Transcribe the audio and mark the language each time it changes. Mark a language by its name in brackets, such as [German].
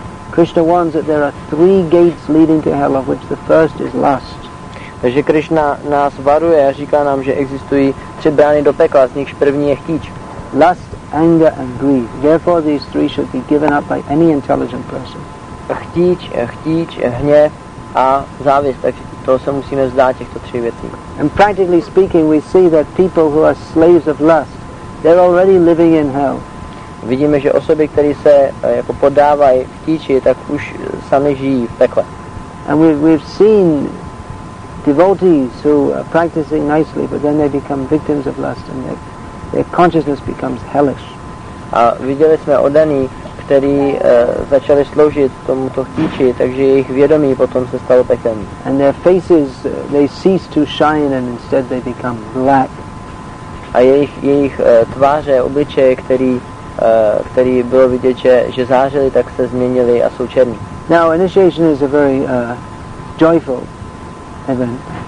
[English] Krishna warns that there are 3 gates leading to hell, of which the first is lust. [Czech] Takže Krishna nás varuje a říká nám, že existují 3 brány do pekla, z nichž první je chtíč. [English] Lust, anger and greed. Therefore these 3 should be given up by any intelligent person. [Czech] Chtíč, hněv a závist, tak to se musíme vzdát těchto 3 věcí. [English] And practically speaking, we see that people who are slaves of lust, they're already living in hell. [Czech] Vidíme, že osoby, které se jako podávají chtíči, tak už sami žijí v pekle. [English] And we've seen devotees who are practicing nicely, but then they become victims of lust and their consciousness becomes hellish. [Czech] A viděli jsme oddaní, kteří začali sloužit tomuto chtíči, takže jejich vědomí potom se stalo pekelní. [English] And their faces, they cease to shine and instead they become black. [Czech] A jejich tváře, obličeje, který bylo vidět, že zářili, tak se změnili a jsou černí. [English] Now initiation is a very joyful event.